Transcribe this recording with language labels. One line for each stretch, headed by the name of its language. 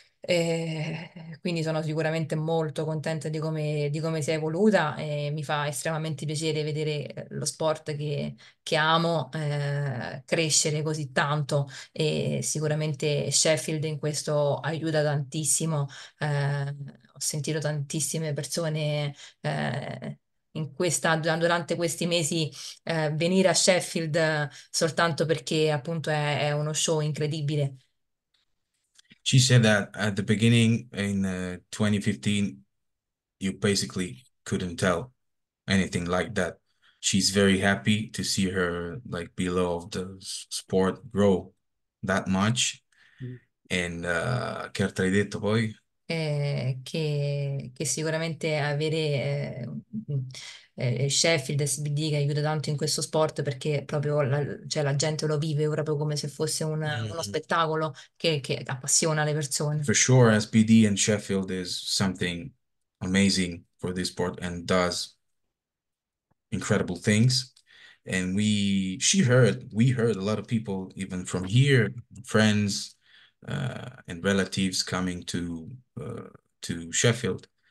Italian: Quindi sono sicuramente molto contenta di come si è evoluta e mi fa estremamente piacere vedere lo sport che amo crescere così tanto, e sicuramente Sheffield in questo aiuta tantissimo. Ho sentito tantissime persone durante questi mesi venire a Sheffield soltanto perché appunto è uno show incredibile.
English: She said that at the beginning in 2015, you basically couldn't tell anything like that. She's very happy to see her like below of the sport grow that much.
Italian: And che altro hai detto poi? Che sicuramente avere Sheffield SBD che aiuta tanto in questo sport, perché proprio cioè la gente lo vive proprio come se fosse uno spettacolo che appassiona le
English: For
Italian: persone.
English: sure, SBD and Sheffield is something amazing for this sport and does incredible things. And we heard a lot of people, even from here, friends and relatives coming to Sheffield.